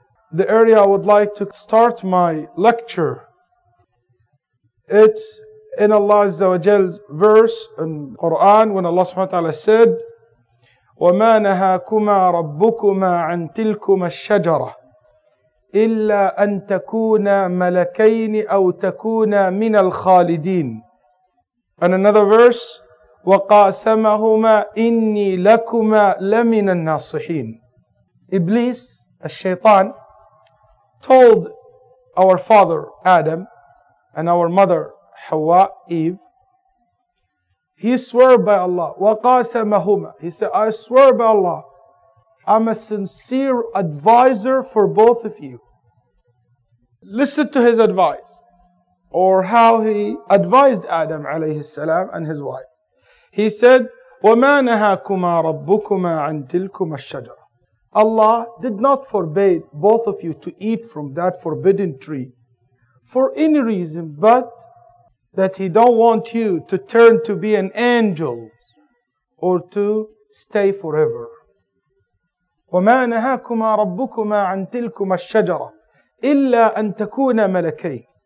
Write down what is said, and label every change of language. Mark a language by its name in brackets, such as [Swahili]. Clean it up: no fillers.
[English] The area I would like to start my lecture, it's in Allah Azza wa Jal's verse in Quran when Allah subhanahu wa ta'ala said, [Arabic] وَمَا نَهَاكُمَا رَبُّكُمَا عَنْ تِلْكُمَ الشَّجَرَةِ إِلَّا أَنْ تَكُونَا مَلَكَيْنِ أَوْ تَكُونَا مِنَ الْخَالِدِينَ. [English] And another verse, [Arabic] وَقَاسَمَهُمَا إِنِّي لَكُمَا لَمِنَ النَّاصِحِينَ. [English] Iblis, الشيطان, told our father Adam and our mother Hawa, Eve, he swear by Allah. [Arabic] وَقَاسَمَهُمَا. [English] He said, I swear by Allah, I'm a sincere advisor for both of you. Listen to his advice, or how he advised Adam alayhi salam and his wife. He said, [Arabic] وَمَا نَهَاكُمَا رَبُّكُمَا عَنْ تِلْكُمَ الشَّجَرَةِ. [English] Allah did not forbid both of you to eat from that forbidden tree for any reason, but that He don't want you to turn to be an angel or to stay forever. [Arabic] وَمَا نَهَاكُمَا رَبُّكُمَا عَنْ تِلْكُمَ الشَّجَرَةِ إِلَّا أَنْ تَكُونَ مَلَكَيْنِ.